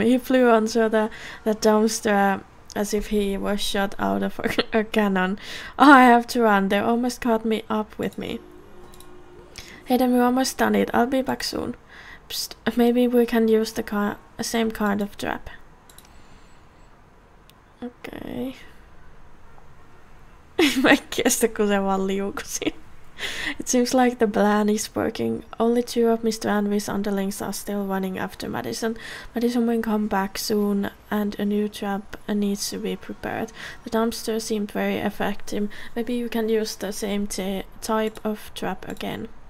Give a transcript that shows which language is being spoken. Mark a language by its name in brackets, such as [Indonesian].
[English] He flew onto the dumpster. As if he was shot out of a cannon. Oh, I have to run. They almost caught me up with me. Hey, then we're almost done it. I'll be back soon. Psst, maybe we can use the same kind of trap. Okay. [Finnish] Mä en kestä, kun se vaan liukusi. [English] It seems like the plan is working. Only two of Mr. Anvis' underlings are still running after Madison. Madison will come back soon, and a new trap needs to be prepared. The dumpster seemed very effective. Maybe you can use the same type of trap again.